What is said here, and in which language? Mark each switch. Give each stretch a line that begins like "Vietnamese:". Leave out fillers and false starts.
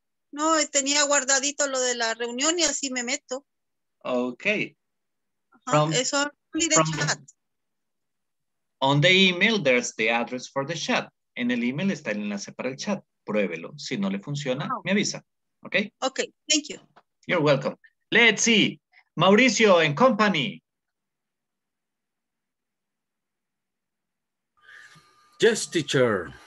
Spanish: No, tenía guardadito lo de la reunión y así me meto.
English: Okay. Eso only the chat. On the email, there's the address for the chat.
Spanish: En el email está el enlace para el chat. Pruébelo. Si no le funciona, me avisa. Okay?
English: Okay, thank you. You're welcome. Let's see. Mauricio and company. Yes, teacher.